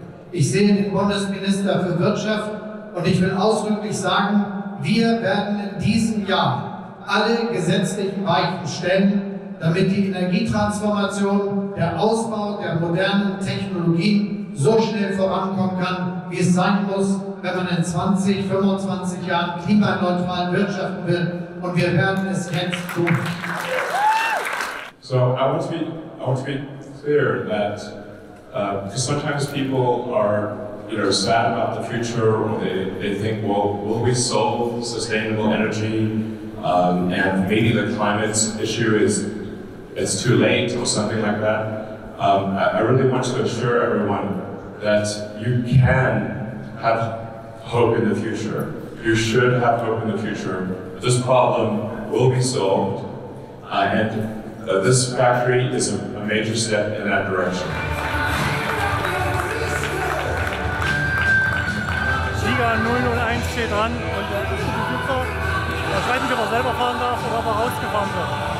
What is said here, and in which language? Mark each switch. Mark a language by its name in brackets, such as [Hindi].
[German] Ich sehe den Bundesminister für Wirtschaft und ich will ausdrücklich sagen, wir werden in diesem Jahr alle gesetzlichen Weichen stellen, damit die Energietransformation, der Ausbau der modernen Technologien so schnell vorankommen kann, wie es sein muss, wenn man in 20, 25 Jahren klimaneutral wirtschaften will. Und wir werden es jetzt tun. [English] So, I want to be clear that because sometimes people are, you know, sad about the future, or they think, well, will we solve sustainable energy? And maybe the climate issue is too late or something like that. I really want to assure everyone that you can have hope in the future. You should have hope in the future. This problem will be solved. And this factory is a major step in that direction. [German] Giga 001 steht dran und der ist ein Flugzeug. Ich weiß nicht, ob er selber fahren darf oder ob er rausgefahren wird.